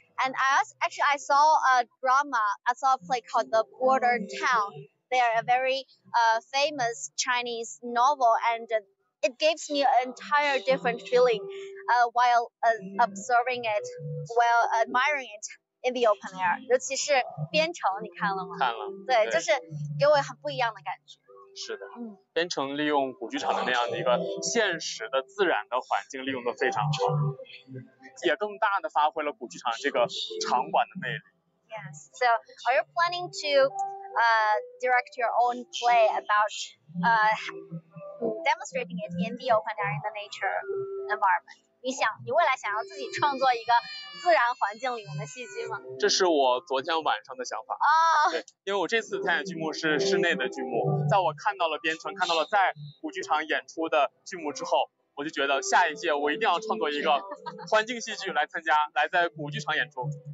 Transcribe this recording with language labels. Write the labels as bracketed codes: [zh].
[en] And I saw a drama, I saw a play called The Border Town. They are a very famous Chinese novel, and it gives me an entire different feeling while observing it, while admiring it in the open air. [zh] 尤其是《编程》，你看了吗？看了。对，就是给我很不一样的感觉。是的，《编程》利用古剧场的那样的一个现实的自然的环境，利用的非常好，也更大的发挥了古剧场这个场馆的魅力。 [en] Yes. So, are you planning to direct your own play about demonstrating it in the open air in the nature environment? [zh] 你未来想要自己创作一个自然环境里面的戏剧吗？这是我昨天晚上的想法。对，因为我这次参演剧目是室内的剧目，在我看到了编程，看到了在古剧场演出的剧目之后，我就觉得下一届我一定要创作一个环境戏剧来参加，来在古剧场演出。